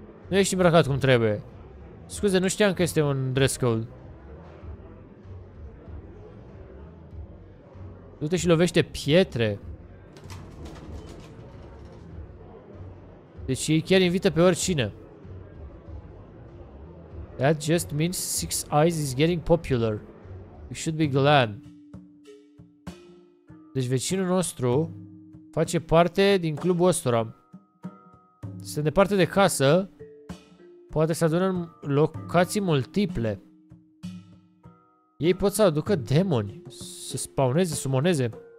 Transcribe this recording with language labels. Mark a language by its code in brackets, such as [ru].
[ro] Nu ești îmbrăcat cum trebuie. Scuze, nu știam că este un dress code. Du-te și lovește pietre. Deci ei chiar invită pe oricine. [en] That just means Six Eyes is getting popular. We should be glad. [ro] Deci vecinul nostru face parte din clubul ăstora. Sunt departe de casă. Poate să adună în locații multiple. Ei pot să aducă demoni. Să spawneze, sumoneze.